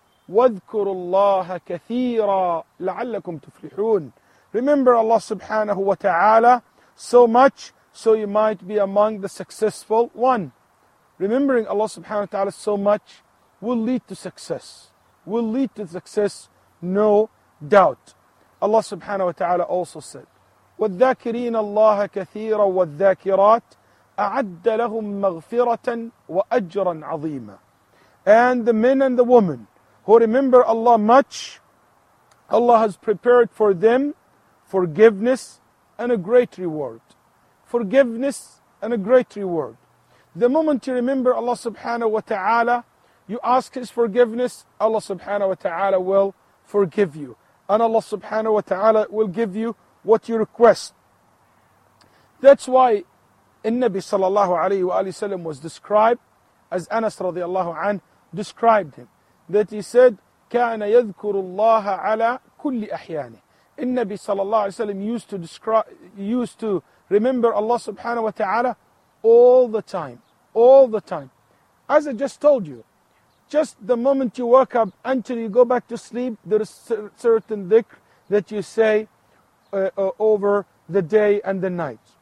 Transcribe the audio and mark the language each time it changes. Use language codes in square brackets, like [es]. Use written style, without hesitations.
[ar] وَاذْكُرُوا اللَّهَ كَثِيرًا لَعَلَّكُمْ تُفْلِحُونَ. [en] Remember Allah subhanahu wa ta'ala so much so you might be among the successful one. Remembering Allah subhanahu wa ta'ala so much will lead to success. Will lead to success, no doubt. Allah subhanahu wa ta'ala also said, [ar] وَالذَّاكِرِينَ اللَّهَ كَثِيرًا وَالذَّاكِرَاتِ أَعَدَّ لَهُمْ مَغْفِرَةً وَأَجْرًا عَظِيمًا. [en] And the men and the women who remember Allah much, Allah has prepared for them forgiveness and a great reward. Forgiveness and a great reward. The moment you remember Allah subhanahu wa ta'ala, you ask His forgiveness, Allah subhanahu wa ta'ala will forgive you. And Allah subhanahu wa ta'ala will give you what you request. That's why Nabi sallallahu alayhi wa sallam was described as Anas radiallahu anhu described him. That he said, [ar] كَانَ يَذْكُرُ اللَّهَ عَلَى كُلِّ أَحْيَانِهِ. النبي صلى الله عليه وسلم [en] used to remember Allah subhanahu wa ta'ala all the time. All the time. As I just told you, just the moment you wake up until you go back to sleep, there is certain dhikr that you say over the day and the night.